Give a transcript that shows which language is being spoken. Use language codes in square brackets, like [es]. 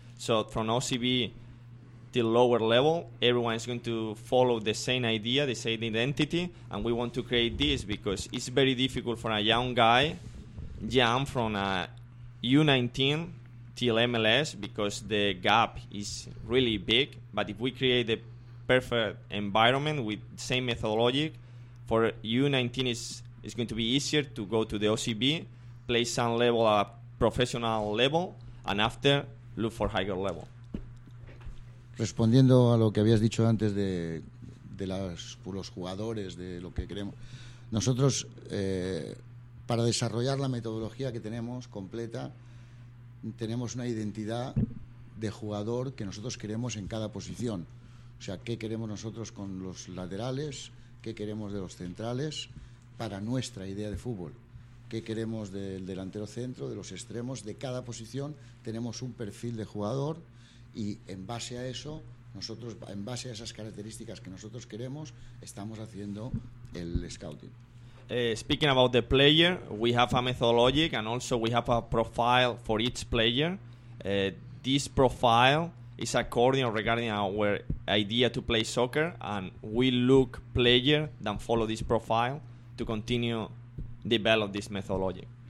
[en] So from OCB to lower level, everyone is going to follow the same idea, the same identity, and we want to create this because it's very difficult for a young guy jump from a U19 till MLS because the gap is really big. But if we create the perfect environment with same methodology, for U19 it's going to be easier to go to the OCB, play some level at professional level, and after look for higher level. [es] Respondiendo a lo que habías dicho antes de los jugadores, de lo que queremos, nosotros para desarrollar la metodología que tenemos completa, tenemos una identidad de jugador que nosotros queremos en cada posición. O sea, ¿qué queremos nosotros con los laterales? ¿Qué queremos de los centrales para nuestra idea de fútbol? ¿Qué queremos del delantero centro, de los extremos? De cada posición tenemos un perfil de jugador y en base a eso, nosotros, en base a esas características que nosotros queremos, estamos haciendo el scouting. [en] Speaking about the player, we have a methodology and also we have a profile for each player. This profile is according regarding our idea to play soccer, and we look player that follow this profile to continue develop this methodology.